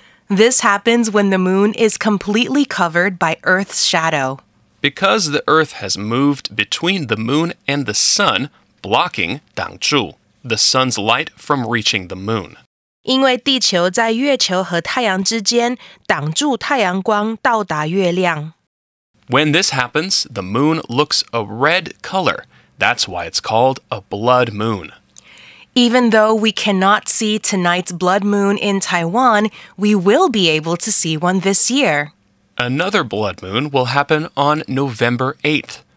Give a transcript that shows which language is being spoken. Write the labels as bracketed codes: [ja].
[en] This happens when the moon is completely covered by Earth's shadow. Because the Earth has moved between the moon and the sun, blocking 挡住, the sun's light from reaching the moon. [zh] 因为地球在月球和太阳之间挡住太阳光到达月亮。 [en] When this happens, the moon looks a red color. That's why it's called a blood moon. Even though we cannot see tonight's blood moon in Taiwan, we will be able to see one this year. Another blood moon will happen on November 8th.